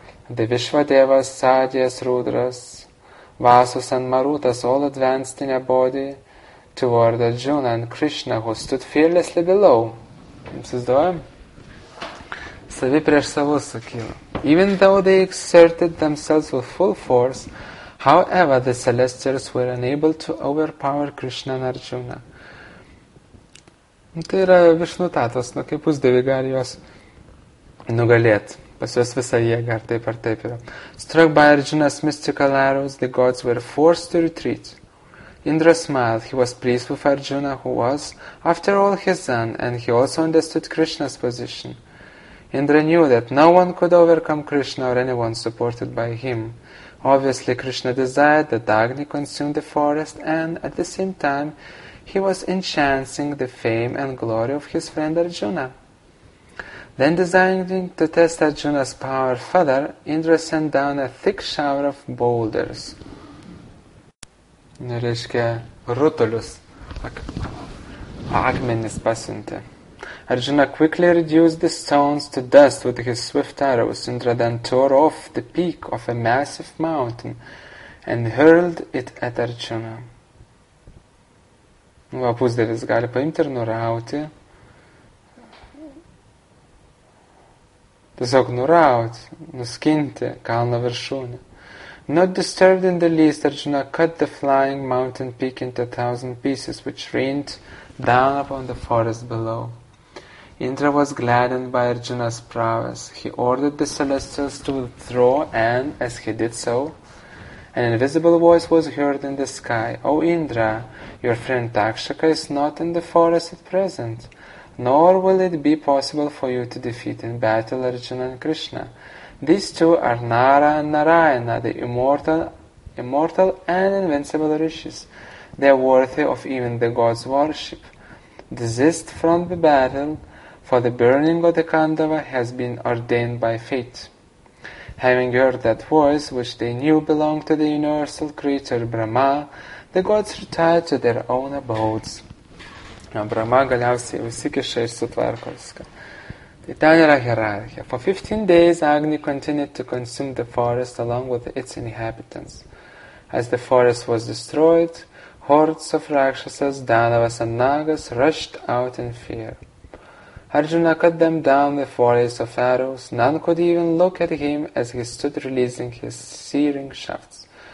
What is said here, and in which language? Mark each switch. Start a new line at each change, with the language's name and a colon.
English: The Vishvadevas, Sadyas, Rudras, Vasus, and Marutas all advanced in a body toward Arjuna and Krishna, who stood fearlessly below.
Lithuanian: Įsivaizduojam? Savi prieš savus sukyla.
English: Even though they exerted themselves with full force, however, the celestials were unable to overpower Krishna and Arjuna.
Lithuanian: Tai yra Vishnu tatvas, nu kaip pusdėvi gali jos nugalėti. Pas juos visą jėgą, ar taip yra.
English: Struck by Arjuna's mystical arrows, the gods were forced to retreat. Indra smiled. He was pleased with Arjuna, who was, after all, his son, and he also understood Krishna's position. Indra knew that no one could overcome Krishna or anyone supported by him. Obviously, Krishna desired that Agni consume the forest, and at the same time, he was enchanting the fame and glory of his friend Arjuna. Then, designing to test Arjuna's power further, Indra sent down a thick shower of boulders.
Lithuanian: Reiškia, rutulius. Akmenis pasiuntė.
English: Arjuna quickly reduced the stones to dust with his swift arrows. Indra then tore off the peak of a massive mountain and hurled it at Arjuna.
Lithuanian: Va, pusdėlis gali paimti ir nurauti. Tiesiog nurauti, nuskinti kalno viršūnį.
English: Not disturbed in the least, Arjuna cut the flying mountain peak into 1,000 pieces, which rained down upon the forest below. Indra was gladdened by Arjuna's prowess. He ordered the celestials to withdraw, and, as he did so, an invisible voice was heard in the sky. O Indra, your friend Takshaka is not in the forest at present, nor will it be possible for you to defeat in battle Arjuna and Krishna. These two are Nara and Narayana, the immortal and invincible rishis. They are worthy of even the gods' worship. Desist from the battle, for the burning of the Kandava has been ordained by fate. Having heard that voice, which they knew belonged to the universal creator Brahma, the gods retired to their own abodes.
Lithuanian: Na, Brahma galiausiai užsikiša ir sutvarko viską. Tai ten yra hierarchija.
English: For 15 days, Agni continued to consume the forest along with its inhabitants. As the forest was destroyed, hordes of Rakshasas, Danavas and Nagas rushed out in fear. Arjuna cut them down with volleys of arrows. None could even look at him as he stood releasing his searing shafts.